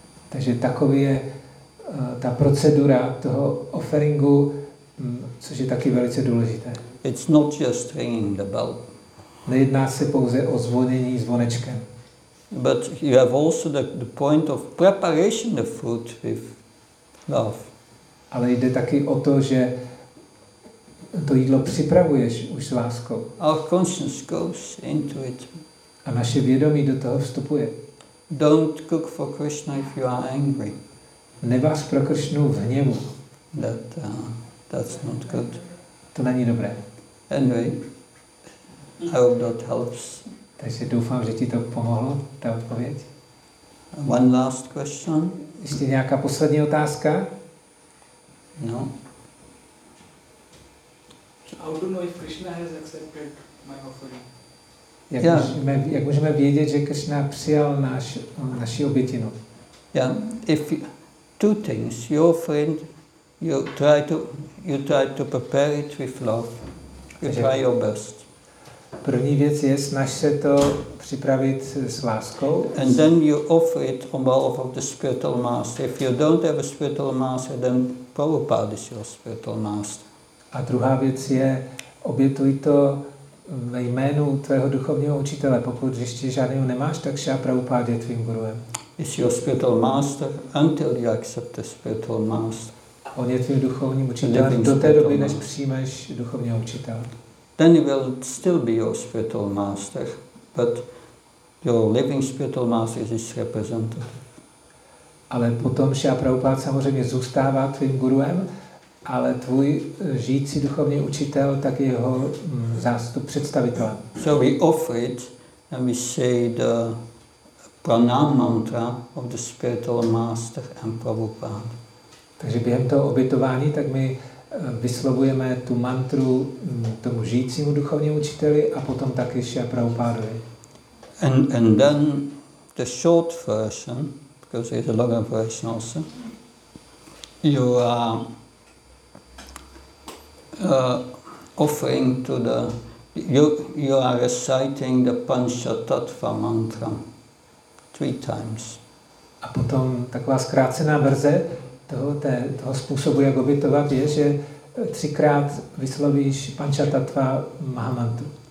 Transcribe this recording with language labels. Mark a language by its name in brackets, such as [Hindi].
[Czech] Takže takový je ta procedura toho offeringu, což je taky velice důležité. [English] It's not just ringing the bell. [Czech] Nejedná se pouze o zvonění zvonečkem. [English] But you have also the point of preparation of food with love. [Czech] Ale jde taky o to, že to jídlo připravuješ už s láskou. [English] Our conscience goes into it. [Czech] A naše vědomí do toho vstupuje. [English] Don't cook for Krishna if you are angry. [Czech] Nevař pro Krishnu v hněvu. [English] That's not good. [Czech] To není dobré. [English] Anyway, I hope that helps. [Czech] Takže doufám, že ti to pomohlo, ta odpověď. [English] One last question. [Czech] Ještě nějaká poslední otázka? No. [English] How do you know if Krishna has accepted my offering? [Czech] Jak můžeme vědět, že Krishna přijal naši obětinu? [English] Yeah, if two things, your friend, you try to prepare it with love, you try your best. [Czech] První věc je, snaž se to připravit s láskou. [English] And then you offer it on behalf of the spiritual master. If you don't have a spiritual master, then Prabhupada is your spiritual master. [Czech] A druhá věc je, obětuj to ve jménu tvého duchovního učitele, pokud ještě žádného nemáš, tak Šá Prabhupáda je tvým guruem. [English] Is your spiritual master until you accept the spiritual master. [Czech] On je tvým duchovním učitelem do té doby, než přijmeš duchovního učitele. [English] Then he will still be your spiritual master, but your living spiritual master is his representative. [Czech] Ale potom Šá Prabhupáda samozřejmě zůstává tvým guruem, ale tvůj žijící duchovní učitel tak jeho zástup představitele. [English] So we offer it and we say the pranam mantra of the spiritual master and Prabhupada. [Czech] Takže během toho obětování tak my vyslovujeme tu mantru tomu žijícímu duchovnímu učiteli a potom taky Šia Prabhupádovi. [English] And then the short version, because there's a longer version also, you are reciting the Panchatattva mantra three times. [Czech] A potom taková zkrácená verze toho způsobu, jak obětovat, je, že třikrát vyslovíš Panchatattva mahamantru.